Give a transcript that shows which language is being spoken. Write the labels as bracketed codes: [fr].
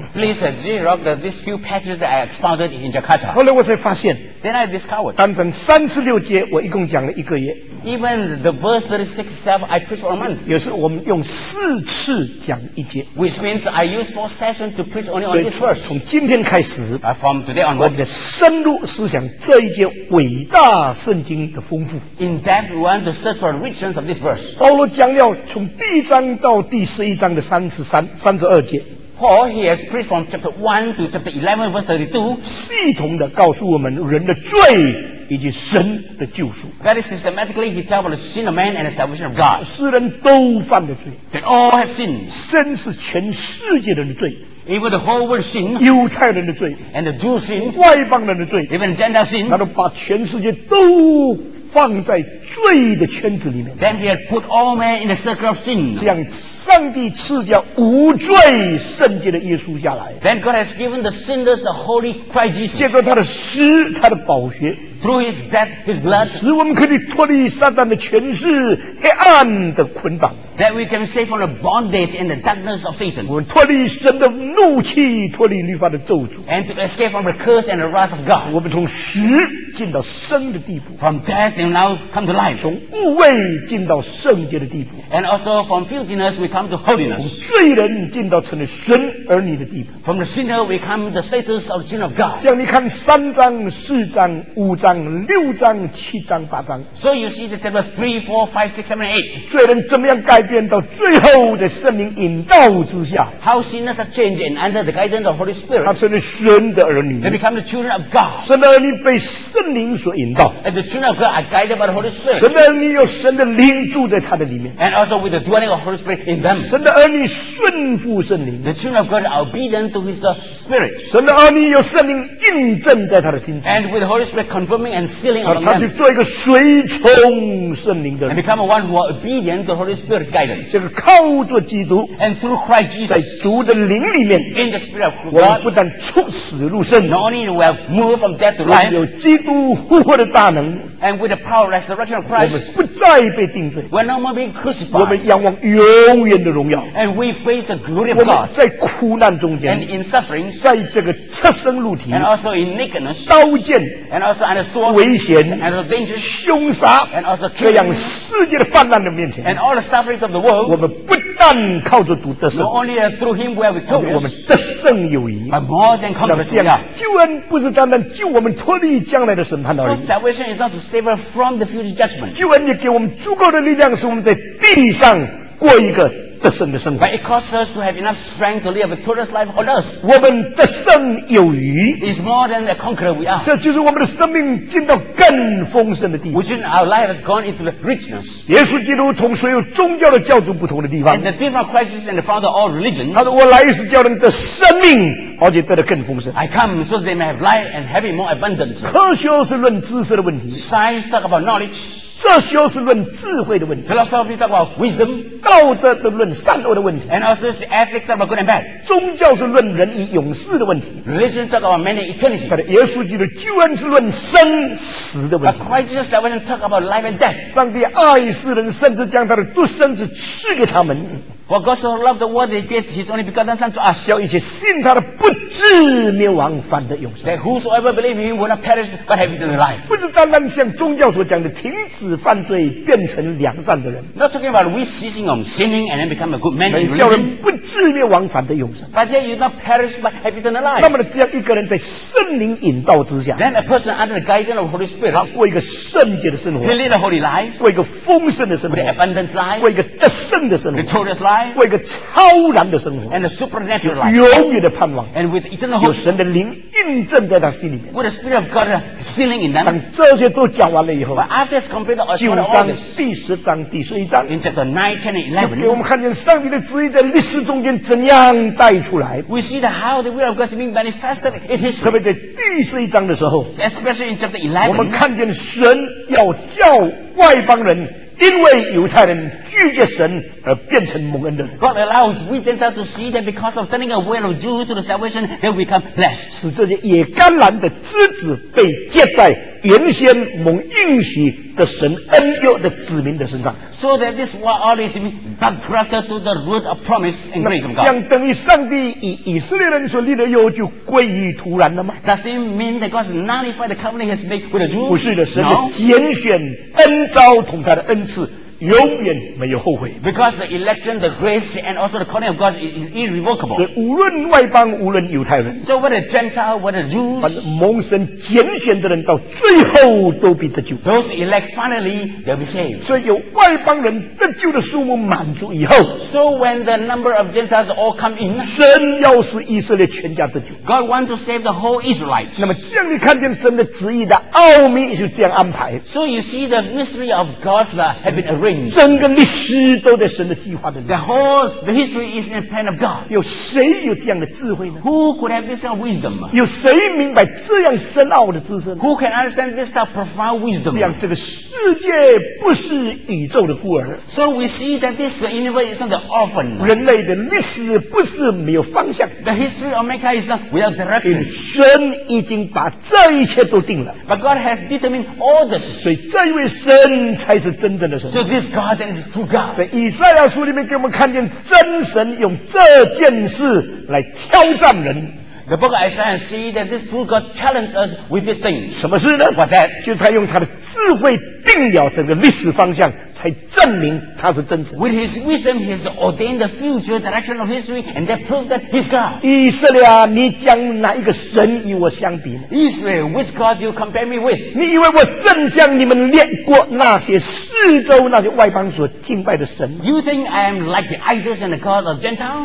[en] Please xerox these few passages that I expounded in Jakarta。 [zh] 后来我才发现 [en] ，Then I discovered， [zh] 单整三十六节我一共讲了一个月。 [en] Even the verse 36-7, I preach for a month. [zh] 也是我们用四次讲一节。 [en] Which means I use four sessions to preach only on this verse. [zh] 所以从今天开始 [en] ，from today onward, [zh] 我们的深入思想这一节伟大圣经的丰富。 [en] In depth, we want to search for the richness of this verse. [zh] 保罗讲要从第一章到第十一章的三十三、三十二节。 [en] Paul, he has preached from chapter 1 to chapter 11, verse 32. [zh] 系统地告诉我们人的罪以及神的救赎。 [en] That is systematically, he tells about the sin of man and the salvation of God. [zh] 世人都犯了罪。 [en] They all have sinned. [zh] 神是全世界人的罪。 [en] Even the whole world sin, [zh] 犹太人的罪。 [en] And the Jew sin, [zh] 外邦人的罪。 [en] Even Gentile sin. [zh] 他都把全世界都放在罪的圈子里面。 [en] Then he had put all men in the circle of sin. [zh] 这样上帝赐下无罪圣洁的耶稣下来。 [en] Then God has given the sinners the holy Christ Jesus. [zh] 借着他的死，他的宝血。 [en] Through his death, his blood. [zh] 使我们可以脱离撒旦的权势、黑暗的捆绑。 [en] That we can save from the bondage and the darkness of Satan. [zh] 我们脱离神的怒气，脱离律法的咒诅。 [en] And to escape from the curse and the wrath of God. [zh] 我们从死进到生的地步。 [en] From death, we now come to life. [zh] 从污秽进到圣洁的地步。 [en] And also from filthiness, we come to holiness. [zh] 从罪人进到成为神儿女的地步。 [en] From the sinner, we come to the status of children of God. [zh] 这样你看三章、四章、五章。六章、七章、八章。 [en] So you see the chapter 3, 4, 5, 6, 7, 8. [zh] 罪人怎么样改变到最后的圣灵引导之下 [en] ？How sinners have changed and under the guidance of Holy Spirit. [zh] 他成为神的儿女。 [en] They become the children of God. [zh] 神的儿女被圣灵所引导。 [en] And the children of God are guided by the Holy Spirit. [zh] 神的儿女有神的灵住在他的里面。 [en] And also with the dwelling of Holy Spirit in them. [zh] 神的儿女顺服圣灵。 [en] The children of God are obedient to His Spirit. [zh] 神的儿女有圣灵印证在他的心。 [en] And with the Holy Spirit confirmed. And sealing on them. [zh] 他就做一个随从圣灵的人 [en] and become one who are obedient to Holy Spirit's guidance. [zh] 这个靠着基督 [en] and through Christ Jesus, [zh] 在主的灵里面 [en] in the spirit of God, [zh] 我们不但出死入生 [en] not only we have moved from death to life, [zh] 有基督督复活的大能 [en] and with the power of resurrection of Christ, [zh] 我们不再被定罪 [en] we're no more being crucified, [zh] 我们仰望永远的荣耀 [en] and we face the glory of God, [zh] 我们在苦难中间 [en] and in suffering, [zh] 在这个赤身露体 [en] and also in nakedness, [zh] 刀剑 [en] and also under sword, [zh] 危险 [en] and also danger, [zh] 凶杀 [en] and also killing, [zh] 这样世界的泛滥的面前 [en] and all the sufferings of the world, [zh] 我们不但靠着主得胜 [en] not only through him where we took us, [zh] 我们得胜有余 [en] but more than conquerors, [zh] 这样救恩不是单单救我们脱离将来的审判而已。 [en] So salvation is not to save us from the future judgment. [zh] 救恩也给我们足够的力量，使我们在地上过一个得胜的生活。 [en] But it causes us to have enough strength to live a victorious life on earth. [zh] 我们得胜有余 [en] is more than the conqueror we are. [zh] 这就是我们的生命进到更丰盛的地方。 [en] Which in our life has gone into the richness. [zh] 耶稣基督从所有宗教的教主不同的地方。 [en] And the different Christians and the founder of all religions. [zh] 他说我来是叫人的生命。而且得的更丰盛 [en] I come so they may have light and have more abundance [zh] 科学是论知识的问题 [en] Science talk about knowledge [zh] 哲学是论智慧的问题 [en] Philosophy talk about wisdom [zh] 道德的论善恶的问题 [en] And also the ethics talk about good and bad [zh] 宗教是论人与永世的问题 [en] Religion talk about man and eternity [zh] 但耶稣基督救恩是论生死的问题 [en] But Christ's salvation talk about life and death [zh] 上帝爱世人甚至将他的独生子赐给他们 [en] For God so loved the world, that He gave His only begotten Son to us. [zh] 叫一切信他的不至灭亡，反得永生。 [en] That whosoever believes in Him will not perish, but have eternal life. [zh] 不是单单像宗教所讲的停止犯罪变成良善的人。 [en] Not talking about we ceasing on sinning and then become a good man. [zh] 叫人不至灭亡，反得永生。 [en] But then you not perish, but have eternal life. [zh] 那么这样一个人在圣灵引导之下 [en] ，Then a person under the guidance of Holy Spirit, [zh] 他过一个圣洁的生活 [en] ，He lead a holy life, [zh] 过一个丰盛的生活 [en] ，With abundant life, [zh] 过一个得胜的生活 [en] ，Victorious life. [zh] 过一个超然的生活 [en] and a supernatural life, [zh] 永远的盼望 [en] and with eternal hope, [zh] 有神的灵印证在他心里面 [en] with the Spirit of God sealing in them, [zh] 当这些都讲完了以后 [en] but after it's completed, [zh] 九章第十章第十一章 [en] in chapter 9, 10 and 11, [zh] 就给我们看见上帝的旨意在历史中间怎样带出来 [en] we see that how the will of God is being manifested in history [zh] 特别在第十一章的时候 [en] especially in chapter 11, [zh] 我们看见神要叫外邦人因为犹太人拒绝神而变成蒙恩的人 [en] God allows we Gentiles to see that because of turning away from Jews to the salvation they become blessed [zh] 使这些野橄榄的枝子被接在原先蒙应许的神恩佑的子民的身上 [en] So that this was always being grafted to the root of promise and grace of God [zh] 将等于上帝以以色列人所立的约就归于突然了吗 [en] Does it mean that God has nullified the covenant he has made with the Jews? [zh] 不是的神的拣选恩召同他的恩赐永远没有后悔 [en] because the election the grace and also the calling of God is irrevocable [zh] 所以无论外邦无论犹太人 [en] so whether Gentile whether Jews [zh] 反正蒙神拣选的人到最后都必得救 [en] those elect finally they'll be saved [zh] 所以有外邦人得救的数目满足以后 [en] so when the number of Gentiles all come in [zh] 神要使以色列全家得救 [en] God wants to save the whole Israelites [zh] 那么这样你看见神的旨意的奥秘就这样安排 [en] so you see the mystery of God's have been arranged [zh] 整个历史都在神的计划的里面 [en] The whole the history is in the plan of God [zh] 有谁有这样的智慧呢 [en] Who could have this kind of wisdom [zh] 有谁明白这样深奥的知识呢 [en] Who can understand this kind of profound wisdom [zh] 这样这个世界不是宇宙的孤儿 [en] So we see that this universe is not the orphan [zh] 人类的历史不是没有方向 [en] The history of mankind is not without direction [zh] 神已经把这一切都定了 [en] But God has determined all this [zh] 所以这一位神才是真正的神 [en] So this God that is true God [zh] 在以赛亚书里面给我们看见真神用这件事来挑战人 [en] The book of Isaiah see that this true God challenges us with this thing. [zh] 什么事呢 [en] ？What that? [zh] 就他用他的智慧定了整个历史方向，才证明他是真神。 [en] With his wisdom, he has ordained the future direction of history, and that proves that he's God. [zh] 以色列啊，你将哪一个神与我相比呢 [en] ？Israel, which God do you compare me with? [zh] 你以为我正像你们列国那些四周那些外邦所敬拜的神 [en] ？You think I am like the idols and the gods of Gentiles?